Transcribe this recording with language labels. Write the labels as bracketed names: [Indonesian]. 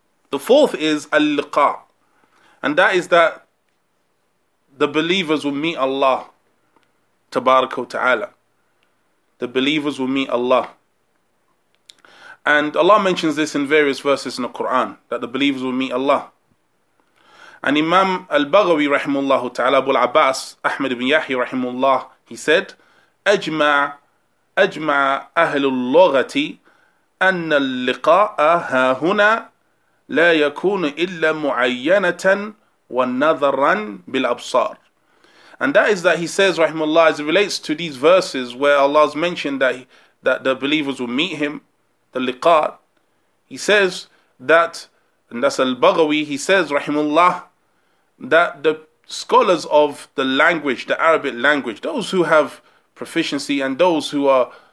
[English] The fourth is Al-Liqa. And that is that the believers will meet Allah Tabaraka wa Ta'ala. The believers will meet Allah. And Allah mentions this in various verses in the Quran, that the believers will meet Allah. And Imam Al-Baghawi rahimullahu ta'ala, Abu Al-Abbas, Ahmed ibn Yahya rahimullah, he said, [Arabic] أجمع أهل اللغة أن اللقاء ها هنا لا يكون إلا معينة ونظرا بالأبصار. [English] And that is that he says, rahimahullah, as it relates to these verses where Allah has mentioned that the believers will meet him, the لقاء, he says that, and that's Al-Baghawi, he says, rahimahullah, that the scholars of the language, the Arabic language, those who have proficiency and those who are